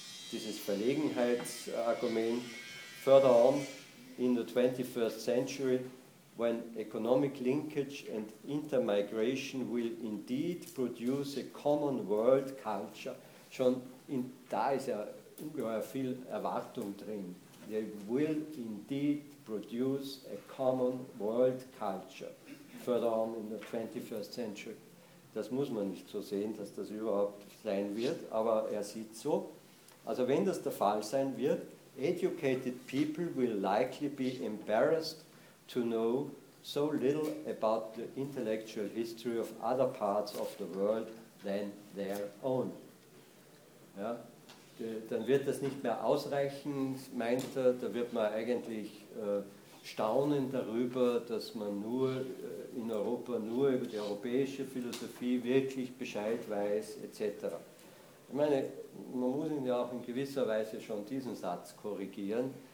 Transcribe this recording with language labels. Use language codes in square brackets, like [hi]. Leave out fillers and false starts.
[de] Dieses Verlegenheitsargument: [en] Further on, in the 21st century, when economic linkage and intermigration will indeed produce a common world culture, [de] da ist ja ungeheuer viel Erwartung drin, [en] they will indeed produce a common world culture, further on in the 21st century. [de] Das muss man nicht so sehen, dass das überhaupt sein wird, aber er sieht so. Also wenn das der Fall sein wird, [en] educated people will likely be embarrassed to know so little about the intellectual history of other parts of the world than their own. [de] Ja, dann wird das nicht mehr ausreichen, meint er, da wird man eigentlich staunen darüber, dass man nur in Europa nur über die europäische Philosophie wirklich Bescheid weiß, etc. Ich meine, man muss ihn ja auch in gewisser Weise schon diesen Satz korrigieren.